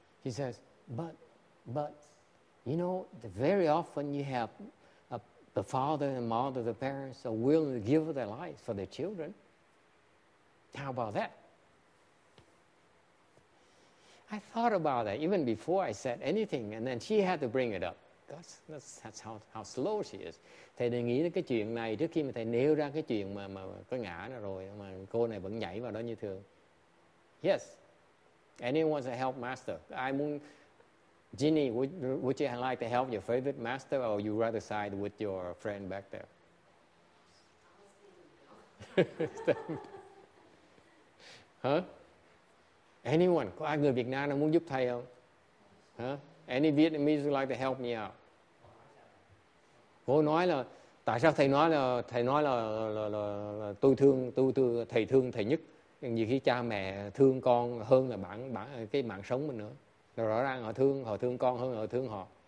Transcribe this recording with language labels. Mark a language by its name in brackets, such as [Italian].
[English] He says, but, you know, very often you have the father and mother, the parents are willing to give their lives for their children. How about that? I thought about that even before I said anything, and then she had to bring it up. That's how slow she is. [Vietnamese] Thầy đề nghị cái chuyện này trước khi mà thầy nêu ra cái chuyện mà có ngã nó rồi mà cô này vẫn nhảy vào đó như thường. [English] Yes. Anyone wants to help master? I mean, Ginny, would you like to help your favorite master, or you rather side with your friend back there? Huh? Anyone? [Vietnamese] Có ai người Việt Nam nào muốn giúp thầy không? Huh? [English] Any Vietnamese would like to help me out? [Vietnamese] Cô nói là tại sao thầy nói là tôi thương thầy thương thầy nhất. Nhiều khi cha mẹ thương con hơn là bản cái mạng sống mình nữa. Rõ ràng họ thương con hơn là họ thương họ.